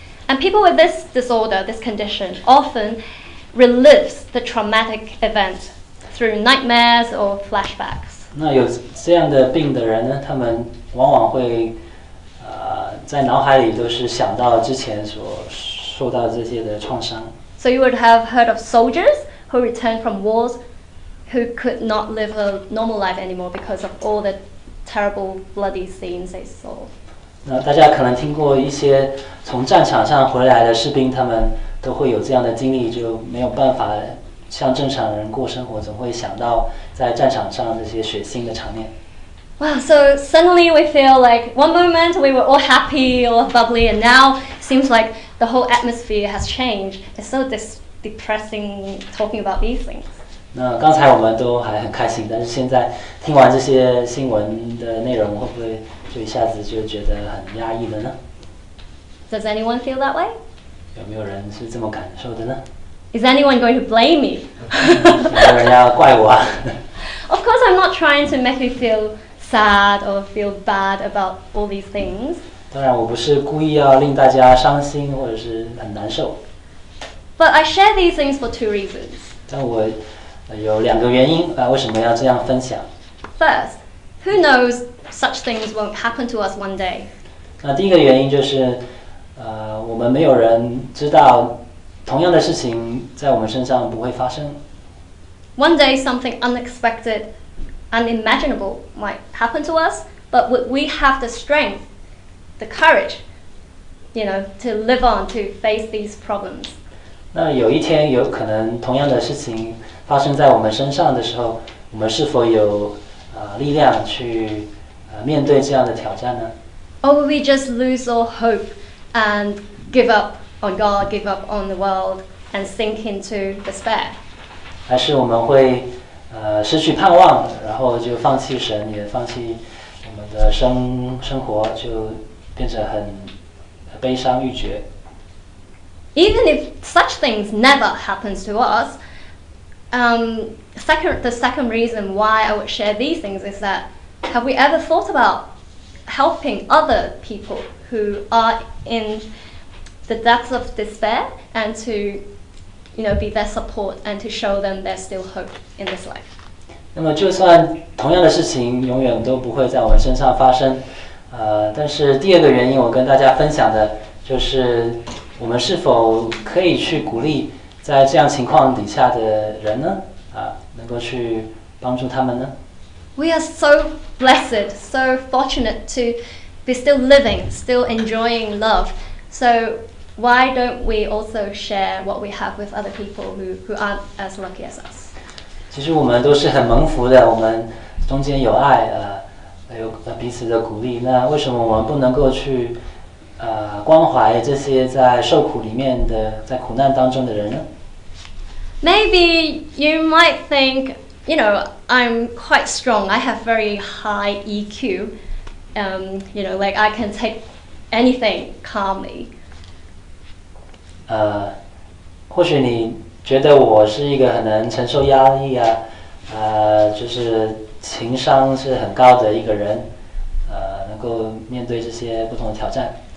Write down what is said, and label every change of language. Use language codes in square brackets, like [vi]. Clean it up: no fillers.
[en] And people with this disorder, this condition, often relives the traumatic event through nightmares or flashbacks. [zh] 那有这样的病的人呢，他们往往会在脑海里都是想到之前所受到这些的创伤。 [en] So you would have heard of soldiers who returned from wars who could not live a normal life anymore because of all the terrible bloody scenes they saw. [zh] 那大家可能听过一些从战场上回来的士兵，他们都会有这样的经历，就没有办法像正常人过生活，总会想到在战场上那些血腥的场面。 [en] Wow, so suddenly we feel like one moment we were all happy or bubbly, and now seems like the whole atmosphere has changed. It's so depressing talking about these things. [zh] 那刚才我们都还很开心，但是现在听完这些新闻的内容，会不会就一下子就觉得很压抑了呢？ [en] Does anyone feel that way? [zh] 有没有人是这么感受的呢？ [en] Is anyone going to blame me? [zh] 有人要怪我啊。 [en] Of course, I'm not trying to make you feel sad or feel bad about all these things. [zh] 当然，我不是故意要令大家伤心或者是很难受。 [en] But I share these things for two reasons. [zh] 但我有两个原因啊，为什么要这样分享 [en] ？First, who knows such things won't happen to us one day? [zh] 那第一个原因就是，我们没有人知道。同样的事情在我们身上不会发生。 [en] One day something unexpected, unimaginable might happen to us, but would we have the strength, the courage, you know, to live on, to face these problems? [zh] 那有一天有可能同样的事情发生在我们身上的时候，我们是否有力量去面对这样的挑战呢？ [en] Or would we just lose all hope and give up? On God, give up on the world, and sink into despair. [zh] 还是我们会失去盼望，然后就放弃神，也放弃我们的生活，就变成很悲伤欲绝。 [en] Even if such things never happens to us, the second reason why I would share these things is that have we ever thought about helping other people who are in the depths of despair and to, you know, be their support and to show them there's still hope in this life. [zh] 那么就算同样的事情永远都不会在我们身上发生，但是第二个原因我跟大家分享的就是我们是否可以去鼓励在这样情况底下的人呢？能够去帮助他们呢？ [en] We are so blessed, so fortunate to be still living, still enjoying love. So why don't we also share what we have with other people who aren't as lucky as us? [zh] 其实我们都是很蒙福的，我们中间有爱，有彼此的鼓励。那为什么我们不能够去关怀这些在受苦里面的，在苦难当中的人呢？ [en] Maybe you might think, you know, I'm quite strong. I have very high EQ. You know, like I can take anything calmly. [zh] 或许你觉得我是一个很能承受压力啊，就是情商是很高的一个人，能够面对这些不同的挑战。